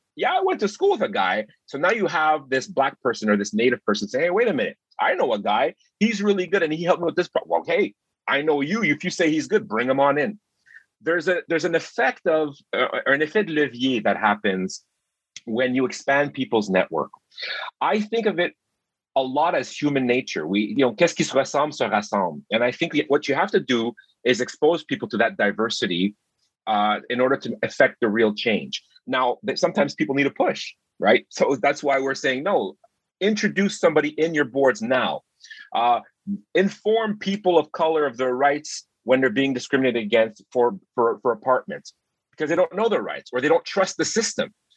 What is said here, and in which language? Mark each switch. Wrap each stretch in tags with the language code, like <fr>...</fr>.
<en>Yeah, I went to school with a guy. So now you have this Black person or this Native person say, hey, wait a minute. I know a guy. He's really good and he helped me with this problem. Well, hey, I know you. If you say he's good, bring him on in. There's an effect of, or an</en> <fr>effet de levier</fr> <en>that happens when you expand people's network. I think of it a lot as human nature.</en> <fr>We, qu'est-ce qui se ressemble se rassemble.</fr> <en>And I think what you have to do is expose people to that diversity in order to effect the real change. Now, sometimes people need a push, right? So that's why we're saying, no, introduce somebody in your boards now. Inform people of color of their rights when they're being discriminated against for apartments because they don't know their rights or they don't trust the system.</en>